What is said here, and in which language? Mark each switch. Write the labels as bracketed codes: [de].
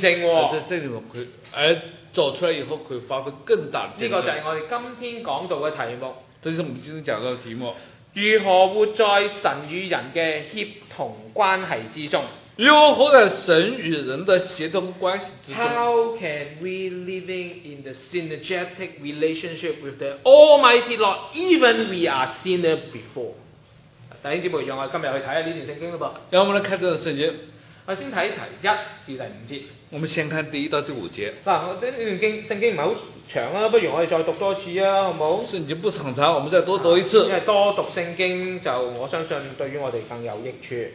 [zh] 在这里面他走出来以后他发挥更大的见证，这个就是我们今天讲到的题目，这是我们今天讲到的题目，如何活在神与人的协同关系之中，如何活在神与人的协同关系之中， [en] How can we live in the synergetic relationship with the Almighty Lord even we are sinner before？ [zh] 弟兄姊妹，让我今天去看这段圣经，让我们来看这段圣经，我先看一题一至第五节，我们先看第一到第五节，这段圣经不是很长，不如我们再读多一次，好不好？圣经不长长，我们再多读一次，因为多读圣经就我相信对于我们更有益处，